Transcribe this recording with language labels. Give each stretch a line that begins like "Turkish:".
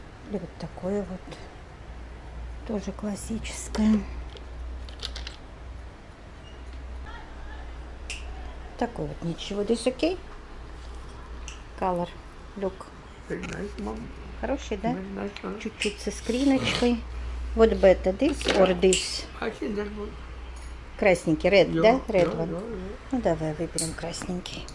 Russian: Или вот такое вот. Тоже классическое. Такое вот ничего.
English: This okay? Color. Look. Very nice, mom.
Russian: Хороший, да? Чуть-чуть со скриночкой. Вот
English: бета, this or this?
Russian: Красненький, red, да?
English: Red one.
Russian: Ну, давай выберем красненький.